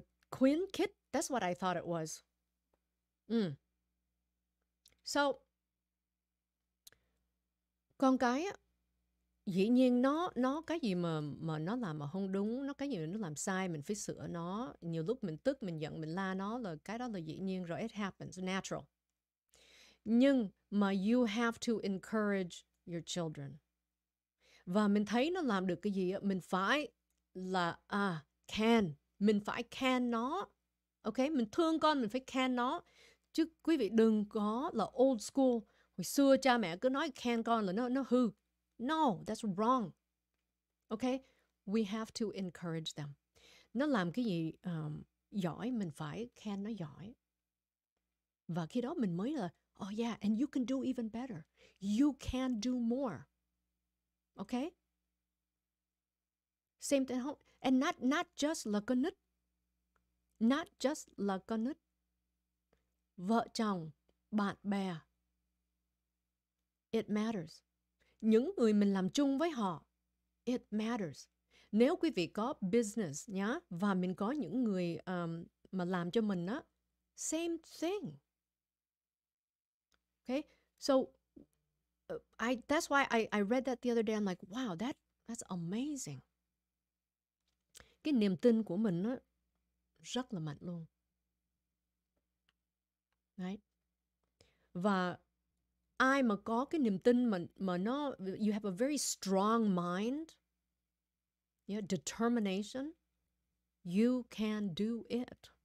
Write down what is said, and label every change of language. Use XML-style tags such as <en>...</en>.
<vi>Khuyến khích,</vi> <en>that's what I thought it was.</en> <vi>So, con cái á, dĩ nhiên nó cái gì mà nó làm mà không đúng, nó cái gì mà nó làm sai mình phải sửa nó. Nhiều lúc mình tức, mình giận, mình la nó là cái đó là dĩ nhiên rồi,</vi> <en>it happens, natural.</en> <vi>Nhưng mà</vi> <en>you have to encourage your children.</en> <vi>Và mình thấy nó làm được cái gì á, mình phải là can, mình phải can nó. Ok, mình thương con mình phải can nó. Chứ quý vị đừng có là</vi> <en>old school.</en> <vi>Hồi xưa cha mẹ cứ nói can con là nó hư.</vi> <en>No, that's wrong. Okay, we have to encourage them.</en> <vi>Nó làm cái gì giỏi, mình phải khen nó giỏi. Và khi đó mình mới là,</vi> <en>oh yeah, and you can do even better. You can do more. Okay? Same thing. And not just</en> <vi>là con nít.</vi> <en>Not just là con nít.</en> <vi>Vợ chồng, bạn bè.</vi> <en>It matters.</en> <vi>Những người mình làm chung với họ,</vi> <en>it matters.</en> <vi>Nếu quý vị có business nhá, và mình có những người mà làm cho mình á,</vi> <en>same thing. Okay, so that's why I read that the other day. I'm like, wow, that's amazing.</en> <vi>Cái niềm tin của mình á rất là mạnh luôn. Right. Và ai mà có cái niềm tin mà nó</vi> <en>you have a very strong mind, determination, you can do it.</en>